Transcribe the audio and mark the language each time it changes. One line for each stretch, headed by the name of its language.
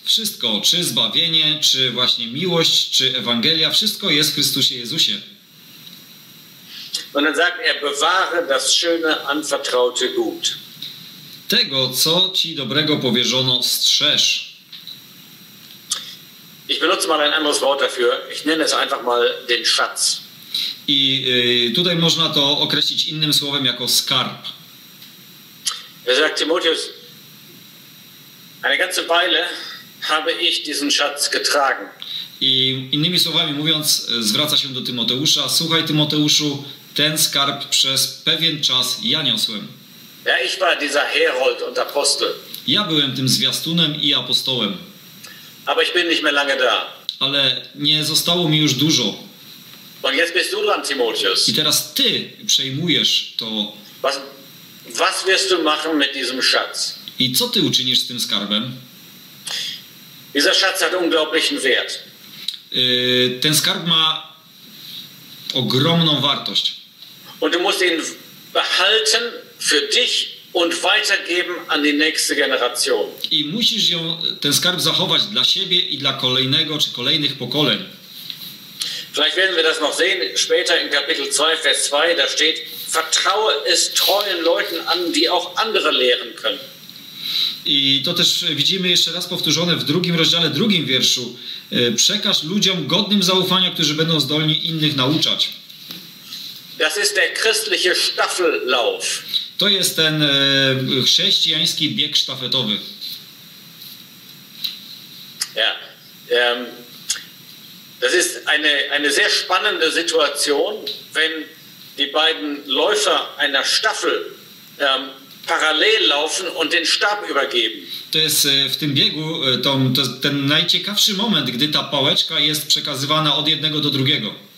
Polish: Wszystko, czy zbawienie, czy właśnie miłość, czy Ewangelia, wszystko jest w Chrystusie Jezusie.
German: Und dann sagt er, bewahre das schöne, anvertraute Gut.
Polish: Tego, co ci dobrego powierzono, strzeż.
German: Ich benutze mal ein anderes Wort dafür. Ich nenne es einfach mal den Schatz.
Polish: I tutaj można to określić innym słowem jako skarb.
German: Er sagt Timotheus, eine ganze Weile habe ich diesen Schatz getragen.
Polish: I innymi słowami mówiąc, zwraca się do Tymoteusza, słuchaj Tymoteuszu, ten skarb przez pewien czas ja niosłem.
German: Ja, ich war dieser Herold und Apostel.
Polish: Ja byłem tym zwiastunem i apostołem.
German: Aber ich bin nicht mehr lange da.
Polish: Ale nie zostało mi już dużo.
German: Und jetzt bist du dran, Timotheus.
Polish: I teraz ty przejmujesz to.
German: Was wirst du machen mit diesem Schatz?
Polish: I co ty uczynisz z tym skarbem?
German: Dieser Schatz hat unglaublichen Wert.
Polish: Ten skarb ma ogromną wartość.
German: Und du musst ihn behalten für dich und weitergeben an die nächste Generation.
Polish: I musisz ją, ten skarb zachować dla siebie i dla kolejnego czy kolejnych pokoleń.
German: Vielleicht werden wir das noch sehen später in Kapitel 2, Vers 2. Da steht, vertraue es treuen Leuten an, die auch andere lehren können.
Polish: I to też widzimy jeszcze raz powtórzone w drugim rozdziale, drugim wierszu. Przekaż ludziom godnym zaufania, którzy będą zdolni innych nauczać.
German: Das ist der christliche Staffellauf.
Polish: To jest ten chrześcijański bieg sztafetowy.
German: Ja, das ist eine sehr spannende Situation, wenn die beiden Läufer einer Staffel parallel laufen und den Stab übergeben.
Polish: To jest w tym biegu ten najciekawszy moment, gdy ta pałeczka jest przekazywana od jednego do drugiego.